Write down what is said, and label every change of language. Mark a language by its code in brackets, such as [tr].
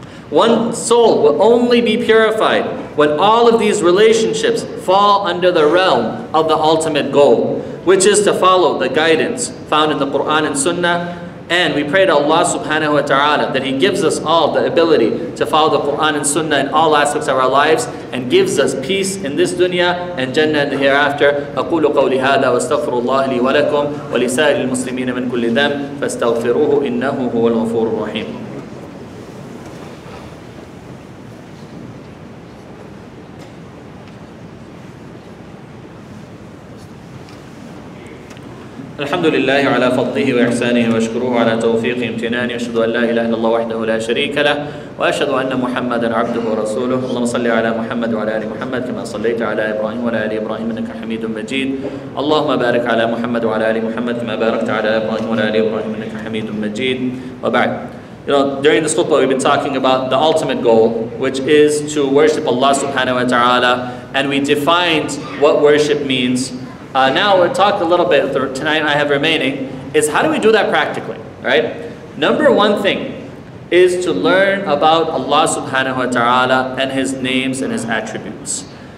[en] One soul will only be purified when all of these relationships fall under the realm of the ultimate goal, which is to follow the guidance found in the Quran and Sunnah. And we pray to Allah subhanahu wa ta'ala that He gives us all the ability to follow the Quran and Sunnah in all aspects of our lives and gives us peace in this dunya and Jannah in the hereafter. [ar] أقول قولي هذا واستغفر الله لي ولكم ولسائر المسلمين من كل ذنب فاستغفروه إنه هو الغفور الرحيم. الحمد لله على فضله وإحسانه وأشكره على توفيقه امتنانه وأشهد أن لا إله إلا الله وحده لا شريك له وأشهد أن محمدا عبده ورسوله. اللهم صل على محمد وعلى آل محمد كما صليت على إبراهيم وعلى آل إبراهيم إنك حميد مجيد. اللهم بارك على محمد وعلى آل محمد كما باركت على إبراهيم وعلى آل إبراهيم إنك حميد مجيد. [en] وبعد, you know, during this khutbah we've been talking about the ultimate goal, which is to worship Allah subhanahu wa ta'ala, and we defined what worship means. Now we'll talk a little bit, tonight I have remaining, is how do we do that practically, right? Number one thing is to learn about Allah subhanahu wa ta'ala and His names and His attributes.